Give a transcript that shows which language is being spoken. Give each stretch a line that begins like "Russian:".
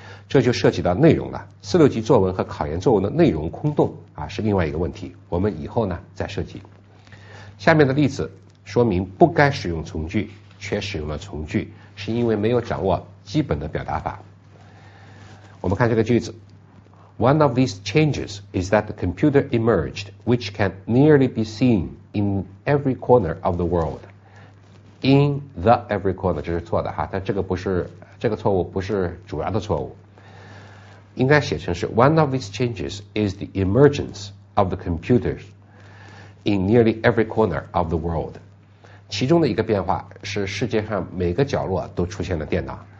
Chinese: 这就涉及到内容了，四六级作文和考研作文的内容空洞啊，是另外一个问题，我们以后呢再涉及。下面的例子说明不该使用从句却使用了从句，是因为没有掌握基本的表达法。我们看这个句子。
English: One of these changes is that the computer emerged, which can nearly be seen in every corner of the world. In the every corner,
Chinese: 这是错的哈，但这个不是，这个错误不是主要的错误。应该写成是
English: One of these changes is the emergence of the computers in nearly every corner of the world.
Chinese: 其中的一个变化是世界上每个角落都出现了电脑。